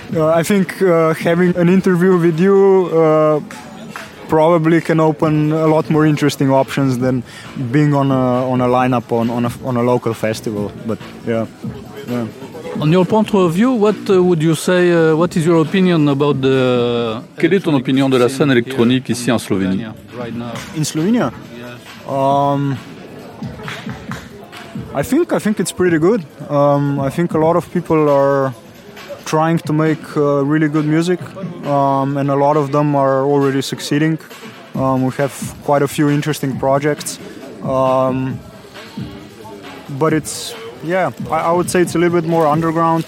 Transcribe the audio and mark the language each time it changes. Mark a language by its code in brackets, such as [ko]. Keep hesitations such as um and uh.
[en] I think having an interview with you probably can open a lot more interesting options than being on a, on a lineup on, on, a, on a local festival. But yeah. yeah. On your point of view, what uh, would you say? Uh, what is your opinion about the? [fr] Electronic Quelle est ton opinion de la scène électronique ici en Slovénie? [en] In Slovenia, Slovenia? Right in Slovenia? Yeah. um, I think I think it's pretty good. Um, I think a lot of people are trying to make uh, really good music, um, and a lot of them are already succeeding. Um, we have quite a few interesting projects. Um, but it's, yeah, I, I, would say it's a little bit more underground.